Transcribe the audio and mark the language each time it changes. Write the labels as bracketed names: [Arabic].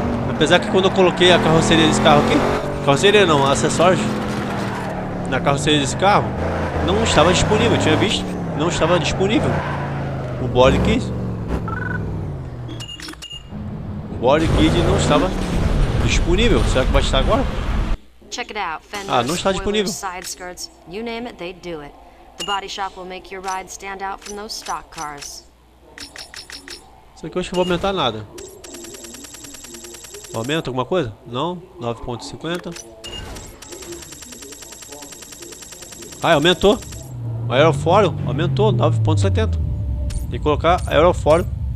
[Portuguese] Apesar que quando eu coloquei a carroceria desse carro aqui, carroceria não, acessórios na carroceria desse carro, não estava disponível, tinha visto, não estava disponível o body kit. O body kit não estava disponível, será que vai estar agora? [English] Check it out. Fenders, [Portuguese] não está disponível. [English] Side skirts, you name it, they do it. The body shop will make your ride stand out from those stock cars. [Portuguese] Isso aqui eu acho que não vou aumentar nada. Aumenta alguma coisa? Não. 9.50. Ah, aumentou. O aerofólio aumentou. 9.70. Tem que colocar aerofólio.